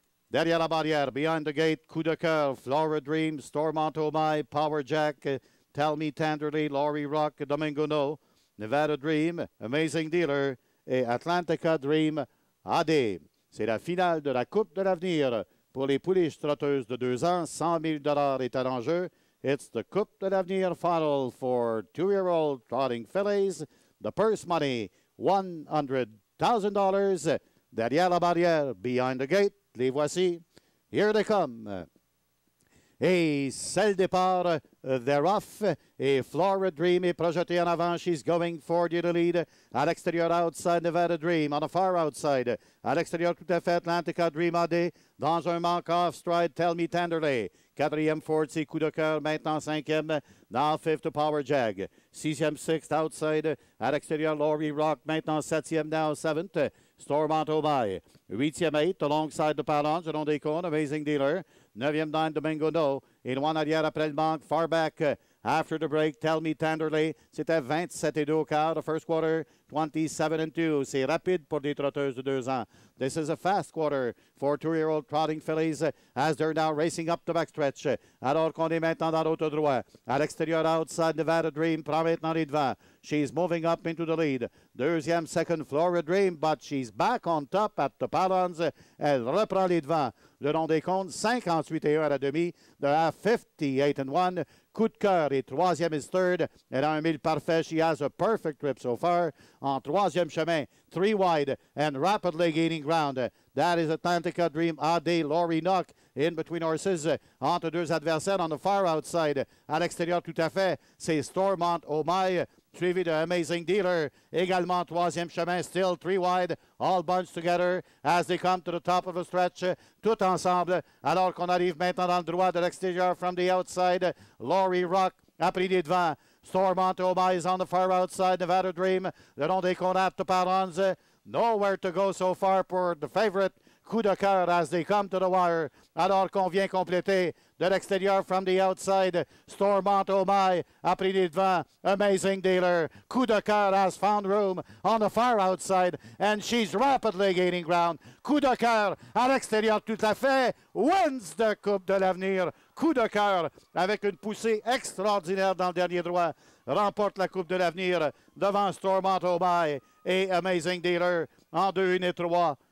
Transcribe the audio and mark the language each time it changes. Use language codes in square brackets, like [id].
[fr] Derrière la barrière, [en] behind the gate, [fr] coup de cœur, Flora Dream, Stormont Oh My, Power Jack, Tell Me Tenderly, Laurie Rock, Domingo No, Nevada Dream, Amazing Dealer et Atlantica Dream AD. C'est la finale de la Coupe de l'Avenir pour les pouliches trotteuses de deux ans. 100 000 $ est en jeu. [en] It's the Coupe de l'Avenir final for two-year-old trotting fillies. The purse money, $100,000. [fr] Derrière la barrière, [en] behind the gate, [fr] les voici. [en] Here they come. [fr] Et c'est le départ. [en] They're off. [fr] Et Flora Dream est projetée en avant. [en] She's going for the lead. [fr] À l'extérieur, [en] outside, Nevada Dream. On the far outside. [fr] À l'extérieur, tout à fait, Atlantica Dream AD. Dans un manque [en] off stride, [fr] Tell Me Tenderly. Quatrième, Ford, c'est coup de cœur. Maintenant, cinquième. [en] Now, fifth, Power Jag. Sixième, sixth, outside. [fr] À l'extérieur, Laurie Rock. Maintenant, septième, [en] now, seventh. [fr] Stormont Oh My. [en] Huitième, eight, alongside the Palon. Jérôme Descônes, Amazing Dealer. Neuvième, nine, Domingo No. [fr] Et loin arrière, après le manque, [en] far back. After the break, [fr] Tell Me Tenderly. C'était 27-2 au quart. [en] The first quarter, [fr] 27-2. C'est rapide pour des trotteuses de deux ans. [en] This is a fast quarter for two-year-old trotting fillies as they're now racing up the backstretch. [fr] Alors qu'on est maintenant dans l'autre droit. À l'extérieur, outside, Nevada Dream prend maintenant les devants. [en] She's moving up into the lead. Deuxième, second, Flora Dream, but she's back on top at the palons. [fr] Elle reprend les devants. Le long des comptes, 58-1 à la demi. [en] They're at 58-1. [fr] Coup de cœur et troisième [en] is third. [fr] Elle a un mille parfait. [en] She has a perfect trip so far. [fr] En troisième chemin, [en] three wide and rapidly gaining ground. That is Atlantica Dream AD, Laurie Knock in between horses. [fr] Entre deux adversaires [en] on the far outside. [fr] À l'extérieur tout à fait, c'est Stormont Oh My, suivi de Amazing Dealer. Également troisième chemin, [en] still three wide, all bunched together as they come to the top of the stretch. [fr] Tout ensemble, alors qu'on arrive maintenant dans le droit de l'extérieur [en] from the outside. Laurie Rock [fr] a pris les devants. [en] Stormont Oh My is on the far outside. Nevada Dream, [fr] le long des cônes [en] at the palons. Nowhere to go so far for the favorite. Coup de cœur as they come to the wire. [fr] Alors qu'on vient compléter de l'extérieur [en] from the outside. [fr] Stormont Oh My a pris les devants. Amazing Dealer. [en] Coup de cœur has found room on the far outside. And she's rapidly gaining ground. [fr] Coup de cœur à l'extérieur tout à fait. [en] Wins the [fr] Coupe de l'Avenir. Coup de cœur avec une poussée extraordinaire dans le dernier droit. Remporte la Coupe de l'Avenir devant Stormont Oh My et Amazing Dealer en 2-1 et 3.